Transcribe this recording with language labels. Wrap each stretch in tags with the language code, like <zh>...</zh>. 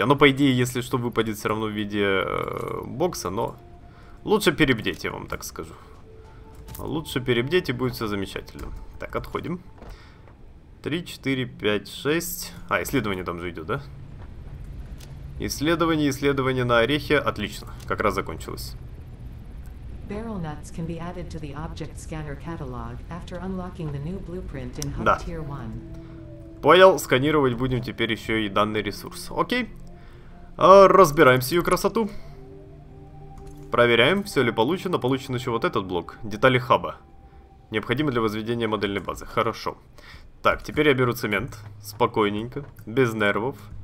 <ru>Оно, по идее, если что, выпадет все равно в виде бокса, но лучше перебдеть, я вам так скажу. Лучше перебдеть, и будет все замечательно. Так, отходим. 3, 4, 5, 6. А, исследование там же идет, да? Исследование на орехе. Отлично, как раз закончилось.</ru> <en>Barrel nuts can be added to the object scanner catalog after unlocking the new blueprint in Hub Tier 1.</en> <ru>Понял, сканировать будем теперь еще и данный ресурс. Окей. Разбираем сию красоту. Проверяем, все ли получено. Получен еще вот этот блок. Детали хаба. Необходимы для возведения модельной базы. Хорошо. Так, теперь я беру цемент. Спокойненько, без нервов.</ru>